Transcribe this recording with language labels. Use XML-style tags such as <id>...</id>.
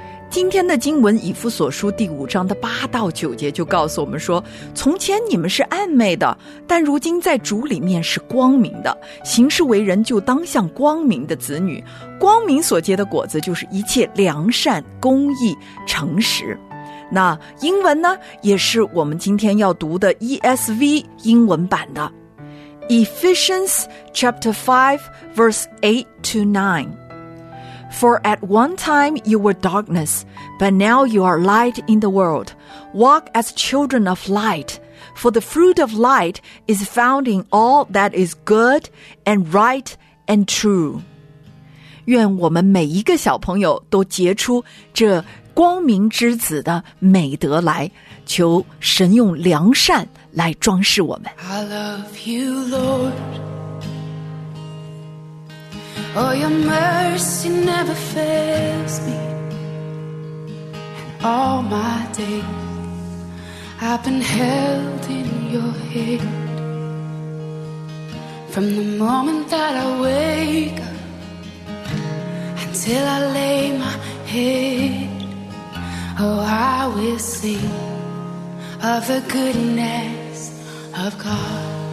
<zh>今天的经文以弗所书第五章的八到九节就告诉我们说，从前你们是暧昧的，但如今在主里面是光明的，行事为人就当像光明的子女，光明所结的果子就是一切良善、公义、诚实。那英文呢，也是我们今天要读的 ESV 英文版的</zh> <en>Ephesians chapter 5 verse 8 to 9。 For at one time you were darkness, but now you are light in the world. Walk as children of light, for the fruit of light is found in all that is good and right and true.</en> <zh>愿我们每一个小朋友都结出这光明之子的美德来，求神用良善来装饰我们。</zh> <en>I love you, Lord. Oh, your mercy never fails me. All my days I've been held in your hand. From the moment that I wake up until I lay my head, oh, I will sing of the goodness of God.</en>